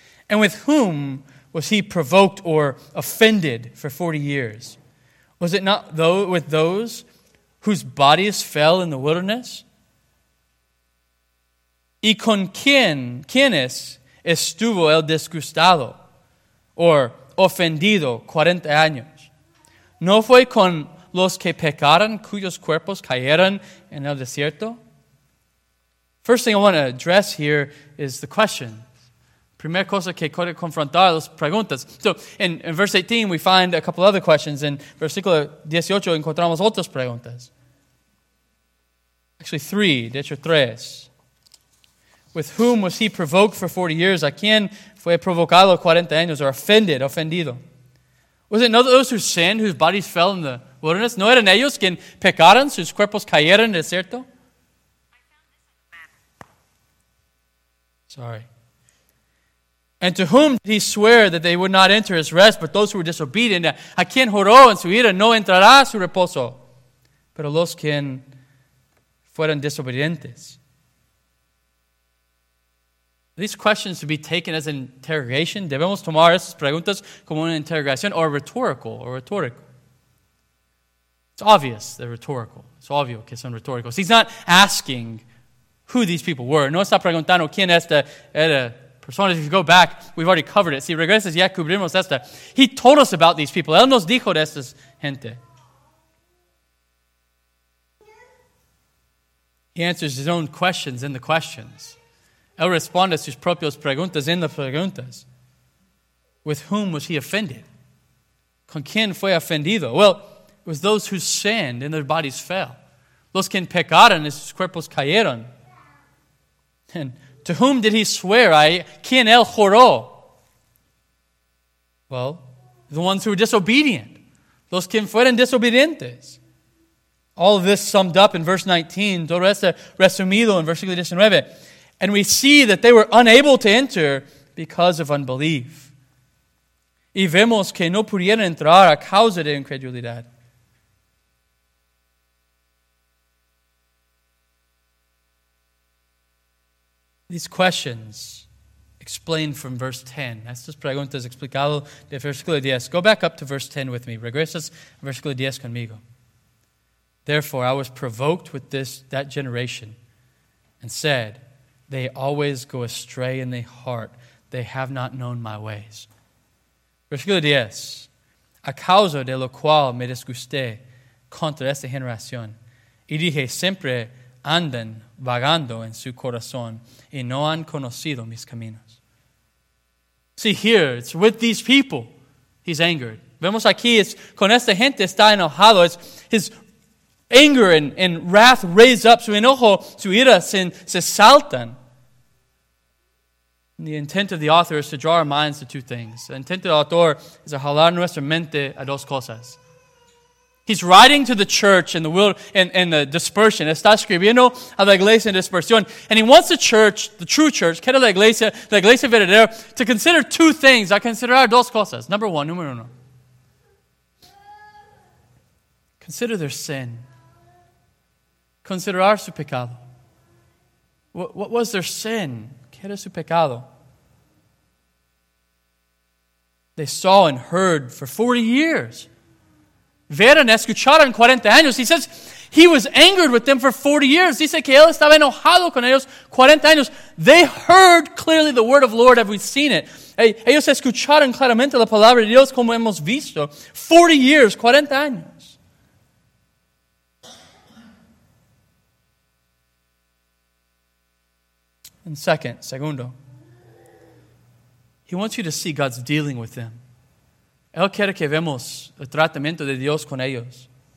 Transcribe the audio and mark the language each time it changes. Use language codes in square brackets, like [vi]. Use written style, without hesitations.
[en] And with whom was he provoked or offended for 40 years? Was it not though with those whose bodies fell in the wilderness? [es] ¿Y con quiénes estuvo el disgustado o ofendido 40 años? ¿No fue con los que pecaron cuyos cuerpos cayeron en el desierto? [en] First thing I want to address here is the question. [es] Primera cosa que quiero confrontar, las preguntas. [en] So, in verse 18, we find a couple other questions. [es] In versículo 18, encontramos otras preguntas. [en] Actually, [es] tres. [en] With whom was he provoked for 40 years? [es] ¿A quién fue provocado 40 años? Or ofendido? [en] Was it not those who sinned, whose bodies fell in the wilderness? [es] ¿No eran ellos quien pecaron, sus cuerpos cayeron en el desierto? [en] Sorry. And to whom did he swear that they would not enter his rest, but those who were disobedient? [es] ¿A quién juró en su ira no entrará su reposo? Pero los quien fueron desobedientes. [en] These questions to be taken as an interrogation. [es] Debemos tomar esas preguntas como una interrogación o rhetorical. [en] It's obvious they're rhetorical. It's obvious [es] que son [en] rhetorical. So he's not asking who these people were. [es] No está preguntando quién esta era persona. [en] If you go back, we've already covered it. [es] Si regresas, ya cubrimos esta. [en] He told us about these people. [es] Él nos dijo de estas gente. [en] He answers his own questions in the questions. [es] Él responde a sus propias preguntas en las preguntas. [en] With whom was he offended? [es] ¿Con quién fue ofendido? [en] Well, it was those who sinned and their bodies fell. [es] Los que pecaron y sus cuerpos cayeron. [en] And to whom did he swear? [es] ¿Quién él juró? [en] Well, the ones who were disobedient. [es] Los que fueron desobedientes. [en] All of this summed up in verse 19. [es] Todo esto resumido en versículo 19. [en] And we see that they were unable to enter because of unbelief. [es] Y vemos que no pudieron entrar a causa de incredulidad. [en] These questions explained from verse 10. [es] Estas preguntas explicado de versículo 10. [en] Go back up to verse 10 with me. [es] Regresas a versículo 10 conmigo. [en] Therefore, I was provoked with that generation and said, they always go astray in their heart. They have not known my ways. [es] Versículo 10. A causa de lo cual me disgusté contra esta generación. Y dije, siempre andan vagando en su corazón y no han conocido mis caminos. [en] See here, it's with these people he's angered. [es] Vemos aquí, es con esta gente está enojado. [en] It's his anger and wrath raised up. [es] Su enojo, su ira se saltan. [en] The intent of the author is to draw our minds to two things. The intent of the author is to [es] jalar nuestra mente a dos cosas. [en] He's writing to the church in the world and the dispersion. [es] Está escribiendo a la iglesia en dispersión. [en] And he wants the church, the true church, [es] que era la iglesia verdadera, [en] to consider two things. [es] A considerar dos cosas. [en] Number one, [es] número uno. [en] Consider their sin. [es] Considerar su pecado. [en] What was their sin? [es] ¿Qué era su pecado? [en] They saw and heard for 40 years. [es] Vieron, escucharon 40 años. [en] He says he was angered with them for 40 years. [es] Dice que él estaba enojado con ellos 40 años. [en] They heard clearly the word of the Lord. Have we seen it? [es] Ellos escucharon claramente la palabra de Dios como hemos visto. [en] 40 years, [es] 40 años. And segundo. [en] He wants you to see God's dealing with them. [es] Él quiere que vemos el tratamiento de Dios con ellos.